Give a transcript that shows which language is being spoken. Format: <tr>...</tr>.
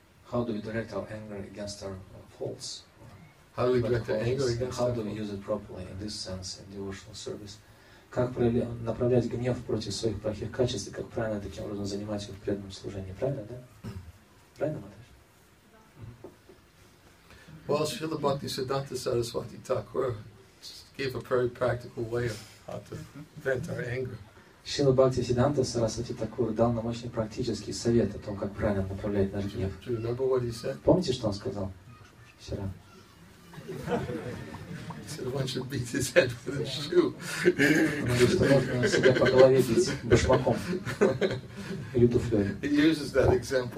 <en>How do we direct our anger against our faults? How do we direct our anger against our faults? How do we use it properly in this sense in devotional service?</en> <ru>Как направлять гнев против своих плохих качеств и как правильно таким образом занимать его в преданном служении? Правильно, да? Правильно, Матыш? Well, Srila Bhakti Siddhanta Saraswati Thakur gave a very practical way of how to vent our anger. Шрила Бхакти Сиддханта Сарасвати Такур дал нам очень практический совет о том, как правильно направлять наш гнев. Помните, что он сказал вчера? Он говорит, что можно себя по голове бить башмаком или туфлёй.</ru>